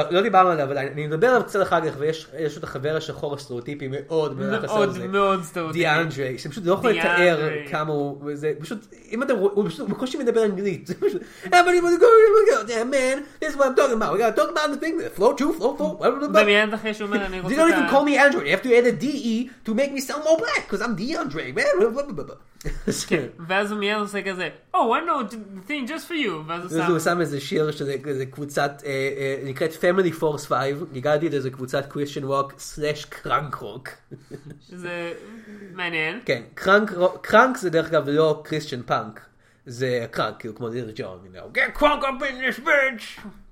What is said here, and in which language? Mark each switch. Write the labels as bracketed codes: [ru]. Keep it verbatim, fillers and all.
[he] לא דיברנו עליו, אבל אני מדבר עליו קצת אחר כך, ויש את החבר השחור הסטריאוטיפי מאוד מאוד מאוד סטריאוטיפי. דיאנדרי, שפשוט לא יכול לתאר כמה הוא, זה פשוט, אם אתם רואים, הוא פשוט בקושי מדבר אנגלית, זה פשוט, [en] yeah man, this is what I'm talking about, we gotta talk about the thing, flow two, flow four, [he] במיינד אחרי שאומר, אני רוצה... [en] You don't even call me Android, you have to add a D E to make me sound more black, because I'm Deandre, man. [he] ואז הוא מיד עושה כזה, [en] oh, I know the thing just for you. [he] ואז הוא שם איזה שיר שזה קבוצת, נקראת Family Force חמש, גיגלתי את איזה קבוצת Christian Rock slash קרנק רוק. שזה מעניין. כן, קרנק זה דרך אגב לא Christian Punk, זה קרנק, כאילו כמו דיר ג'ון, [en] get crunk up in this bitch.